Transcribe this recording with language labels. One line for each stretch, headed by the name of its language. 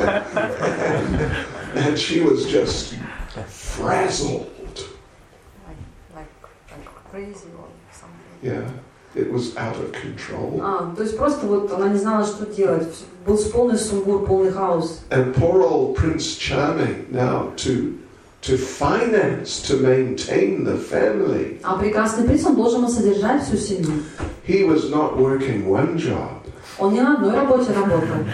English: And she was just frazzled. Like crazy or something. Yeah, it was out of control.
Russian: То есть просто вот она не знала, что делать. Был полный сумбур, полный хаос.
English: And poor old Prince Charming now to finance, to maintain the family.
Russian: А прекрасный принц, он должен содержать всю семью.
English: He was not working one job.
Russian: Он не на одной работе работал.